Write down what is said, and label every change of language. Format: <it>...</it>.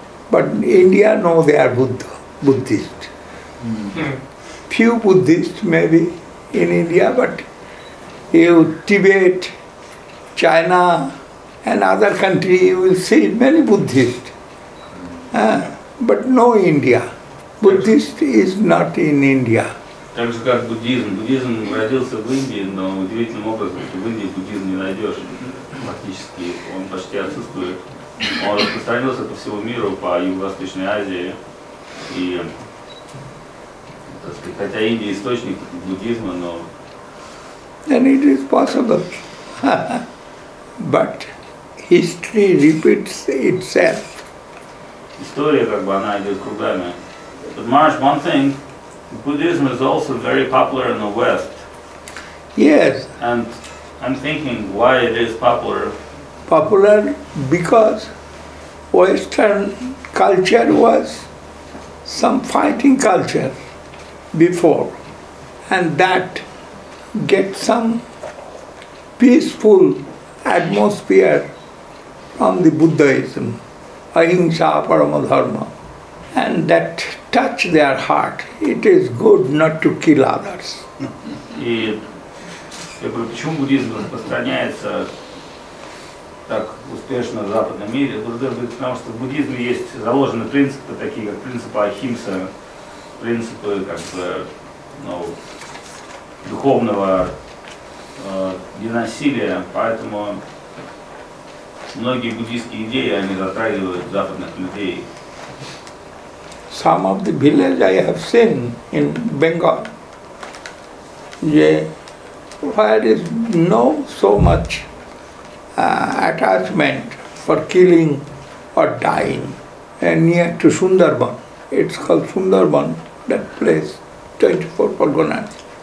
<en>But India know they are Buddhist. Few Buddhists maybe in India, but you Tibet, China and other country you will see many Buddhists. But no India. Buddhist is not in India.</en> <ru>Так же как буддизм. Буддизм родился в Индии, но удивительным образом, что в Индии буддизм не найдешь практически, он почти отсутствует. Он распространился по всему миру, по Юго-Восточной Азии. И, так сказать, хотя Индия источник буддизма, но...</ru> <en>And it is possible. But history repeats itself.</en> <ru>История как бы она идет кругами.</ru> <en>But Marsh, one thing. Buddhism is also very popular in the West. Yes. And I'm thinking why it is popular. popular because Western culture was some fighting culture before, and that get some peaceful atmosphere from the Buddhism, Ahimsa Parama Dharma, and that touch their heart. It is good not to kill others.</en> <ru>Я говорю, почему буддизм распространяется так успешно в западном мире? Друзья говорят, потому что в буддизме есть заложены принципы, такие как принципы ахимса, принципы как бы, ну, духовного ненасилия. Поэтому многие буддийские идеи они затрагивают западных людей.</ru> <en>Some of the villages I have seen in Bengal. Where is no so much attachment for killing or dying, and near to Sundarban, it's called Sundarban, that place, 24 Parganas.</en>